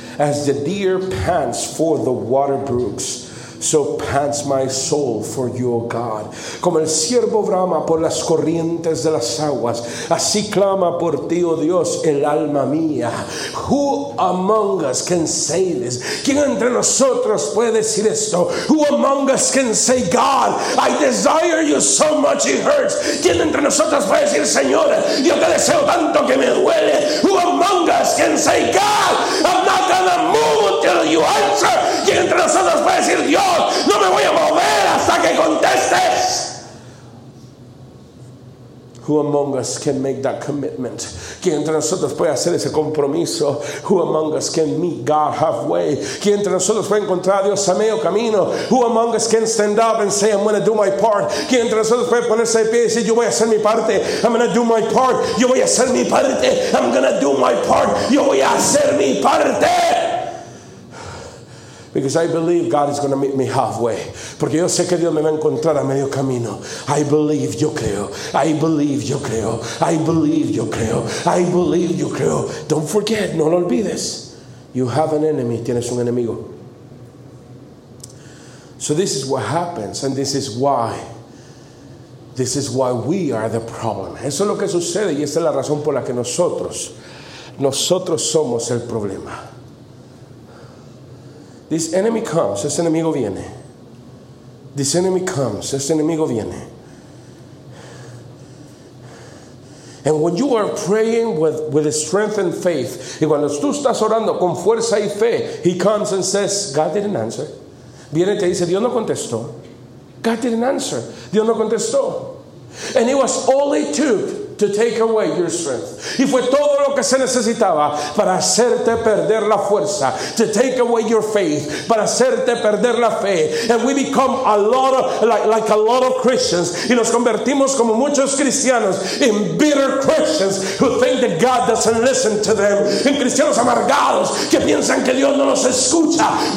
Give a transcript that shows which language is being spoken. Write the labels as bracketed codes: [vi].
[en] As the deer pants for the water brooks, so pants my soul for you, O God. [es] Como el ciervo brama por las corrientes de las aguas, así clama por ti, oh Dios, el alma mía. [en] Who among us can say this? [es] ¿Quién entre nosotros puede decir esto? [en] Who among us can say, God, I desire you so much it hurts? [es] ¿Quién entre nosotros puede decir, Señor, yo te deseo tanto que me duele? [en] Who among us can say, God, I'm not gonna move until you answer? [es] ¿Quién entre nosotros puede decir, Dios, no me voy a mover hasta que contestes? [en] Who among us can make that commitment? [es] ¿Quién entre nosotros puede hacer ese compromiso? [en] Who among us can meet God halfway? [es] ¿Quién entre nosotros puede encontrar a Dios a medio camino? [en] Who among us can stand up and say, I'm going to do my part? [es] ¿Quién entre nosotros puede ponerse de pie y decir, yo voy a hacer mi parte? [en] I'm going to do my part. [es] Yo voy a hacer mi parte. [en] I'm going to do my part. [es] Yo voy a hacer mi parte. [en] Because I believe God is going to meet me halfway. [es] Porque yo sé que Dios me va a encontrar a medio camino. [en] I believe, [es] yo creo. [en] I believe, yo creo. I believe, yo creo. I believe, [es] yo creo. [en] Don't forget, [es] no lo olvides. [en] You have an enemy. [es] Tienes un enemigo. [en] So this is what happens. And this is why. This is why we are the problem. [es] Eso es lo que sucede. Y esa es la razón por la que nosotros somos el problema. [en] This enemy comes, [es] ese enemigo viene. [en] This enemy comes, ese enemigo viene. And when you are praying with strength and faith, [es] y cuando tú estás orando con fuerza y fe, [en] he comes and says, God didn't answer. [es] Viene y te dice, Dios no contestó. [en] God didn't answer. [es] Dios no contestó. [en] And it was all it took to take away your strength. [es] Y fue todo lo que se necesitaba para hacerte perder la fuerza. [en] To take away your faith. [es] Para hacerte perder la fe. [en] And we become a lot of, like a lot of Christians. [es] Y nos convertimos como muchos cristianos [en] in bitter Christians who think that God doesn't listen to them. [es] En cristianos amargados que piensan que Dios no los escucha.